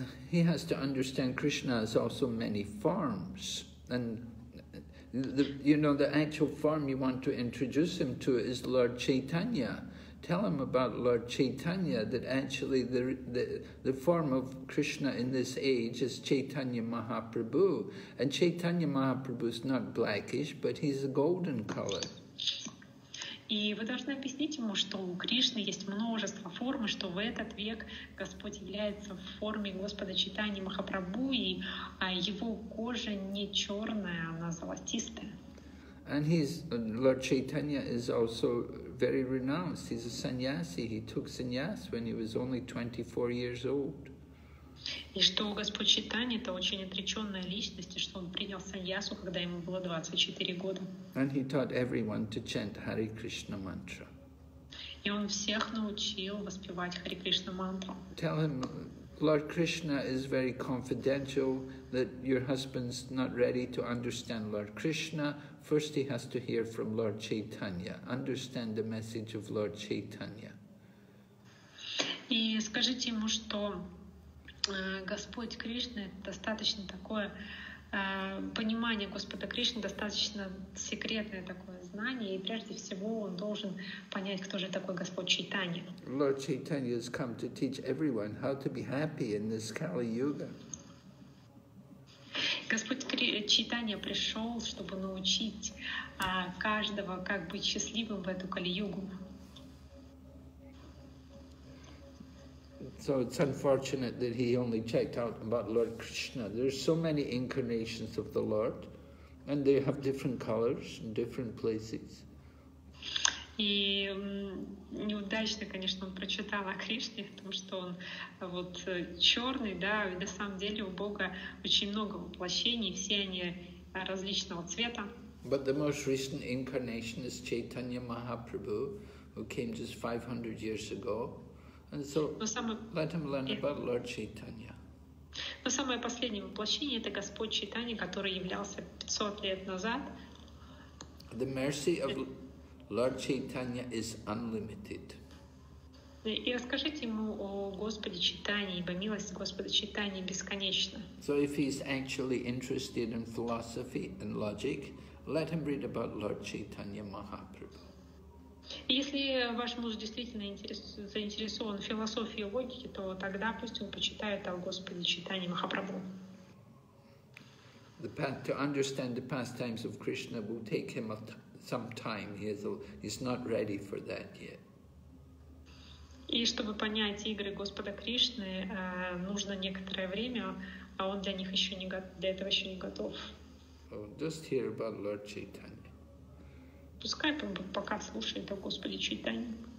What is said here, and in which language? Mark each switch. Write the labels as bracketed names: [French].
[English] He has to understand Krishna has also many forms, and the actual form you want to introduce him to is Lord Chaitanya. Tell him about Lord Chaitanya, that actually the form of Krishna in this age is Chaitanya Mahaprabhu. And Chaitanya Mahaprabhu is not blackish, but he's a golden color. [Russian] И вы должны объяснить ему, что у Кришны есть множество форм, и что в этот век Господь является в форме Господа Чайтаньи Махапрабху, и его кожа не черная, она золотистая. [English] And he's, Lord Chaitanya is also very renounced. He's a sannyasi. He took sannyas when he was only 24 years old. [Russian] И что Господь Чайтанья — это очень отреченная личность, и что он принял саньясу, когда ему было 24 года. [English] And he taught everyone to chant Hare Krishna mantra. [Russian] И он всех научил воспевать Hare Krishna mantra. [English] Tell him, Lord Krishna is very confidential, that your husband's not ready to understand Lord Krishna. First he has to hear from Lord Chaitanya, understand the message of Lord Chaitanya. [Russian] И скажите ему, что Господь Кришна — это достаточно такое понимание Господа Кришны достаточно секретное такое знание, и прежде всего он должен понять, кто же такой Господь Чайтанья. [English] Lord Chaitanya has come to teach everyone how to be happy in this Kali-yuga. [Russian] Господь Чайтанья пришел, чтобы научить каждого, как быть счастливым в эту Кали-югу. [English] So it's unfortunate that he only checked out about Lord Krishna. There are so many incarnations of the Lord, and they have different colors in different places. [Russian] И неудачно, конечно, он прочитал о Кришне, потому что он вот черный, да, и на самом деле у Бога очень много воплощений, все они различного цвета. [English] But the most recent incarnation is Chaitanya Mahaprabhu, who came just 500 years ago. And so, let him learn about Lord Chaitanya. [Russian] Но самое последнее воплощение — это Господь Чайтанья, который являлся 500 лет назад. [English] The mercy of Lord Chaitanya is unlimited. [Russian] И расскажите ему о Господе Чайтанье, ибо милость Господа Чайтанья бесконечна. [English] So if he is actually interested in philosophy and logic, let him read about Lord Chaitanya Mahaprabhu. [Russian] Если ваш муж действительно заинтересован в философии и логике, то тогда пусть он почитает о Господе Чайтанье Махапрабху. [English] The path to understand the pastimes of Krishna will take him some time. He's not ready for that yet. [Russian] И чтобы понять игры Господа Кришны, нужно некоторое время, а он для них еще не для этого еще не готов. [English] Just hear about Lord Chaitanya. [Russian] Пускай он пока слушает о Господе Чайтанье.